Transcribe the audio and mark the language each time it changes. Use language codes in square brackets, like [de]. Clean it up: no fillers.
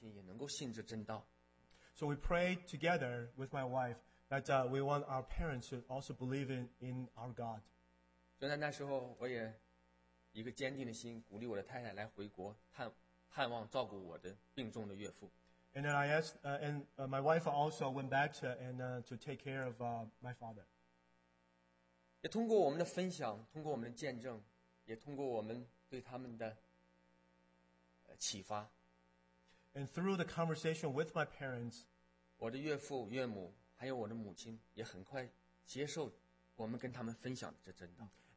[zh] 那时候就跟着太太一起祷告，说一定要父母亲也能够信这真道。 [en] So we prayed together with my wife that we want our parents to also believe in our God. [zh] 就在那时候，我也。一个坚定的心，鼓励我的太太来回国，探望照顾我的病重的岳父。 [en] And then I asked, and my wife also went back to take care of my father. [zh] 也通过我们的分享，通过我们的见证，也通过我们对他们的启发。 [en] And through the conversation with my parents, [zh] 我的岳父、岳母，还有我的母亲，也很快接受我们跟他们分享的这真道。